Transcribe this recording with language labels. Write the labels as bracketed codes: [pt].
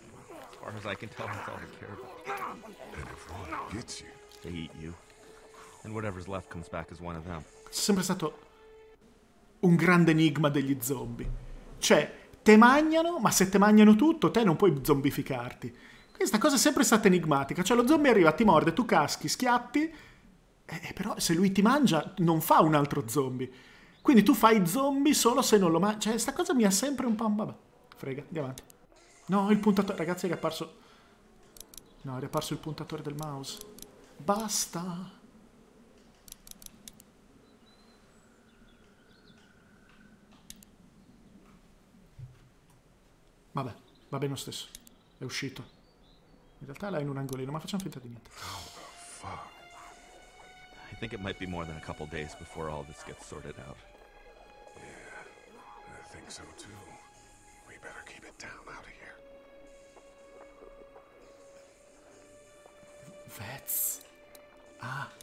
[en] As far as I can tell, that's all I care about. And if one gets you, they eat you. And whatever's left comes back as one of them. [it] Sempre stato un grande enigma degli zombie. Cioè, te mangiano, ma se te mangiano tutto, te non puoi zombificarti. Questa cosa è sempre stata enigmatica. Cioè, lo zombie arriva, ti morde, tu caschi, schiatti, e però se lui ti mangia, non fa un altro zombie. Quindi tu fai zombie solo se non lo mangi. Cioè, sta cosa mi ha sempre un po'... Vabbè, frega, andiamo avanti. No, il puntatore... Ragazzi, è riapparso... No, è riapparso il puntatore del mouse. Basta... Vabbè, va bene lo stesso. È uscito. In realtà là è in un angolino, ma facciamo finta di niente. [en] Oh, fuck. I think it might be more than a couple days before all this gets sorted out. Yeah, I think so too. We better keep it down out of here. Vets. Ah.